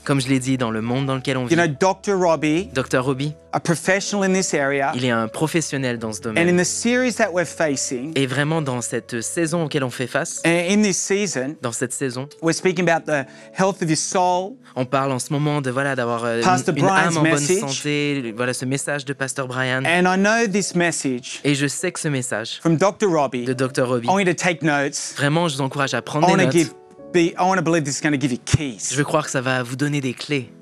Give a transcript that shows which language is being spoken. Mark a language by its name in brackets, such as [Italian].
[French] comme je l'ai dit, dans le monde dans lequel on vit, [English] you know, Dr. Robbie, Dr. Robbie, a professional in this area. [French] Il est un professionnel dans ce domaine. [English] And in the series that we're facing, [French] et vraiment dans cette saison auquel on fait face, [English] in this season, [French] dans cette saison, [English] we're speaking about the health of your soul, [French] on parle en ce moment de, voilà, d'avoir Pastor une Brian's âme en message, bonne santé, voilà, ce message de Pastor Brian. [English] And I know this message, [French] et je sais que ce message [English] from Dr. Robbie, [French] de Dr. Robbie, [English] I want you to take notes, [French] vraiment, je vous encourage à prendre des notes. Je veux croire que ça va vous donner des clés.